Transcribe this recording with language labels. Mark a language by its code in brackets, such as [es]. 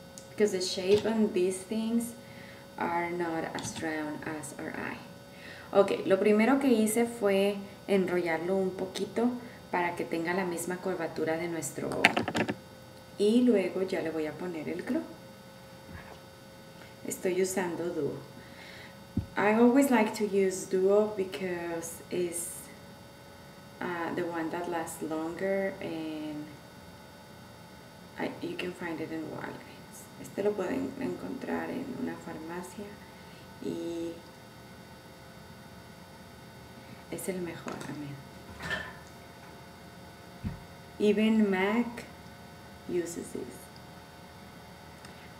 [en] Because the shape on these things are not as round as our eye. [es] Okay, lo primero que hice fue enrollarlo un poquito para que tenga la misma curvatura de nuestro ojo. Y luego ya le voy a poner el glue. Estoy usando Duo. [en] I always like to use Duo because it's the one that lasts longer and you can find it in Walgreens. [es] Este lo pueden encontrar en una farmacia y es el mejor también. [en] Even MAC uses this.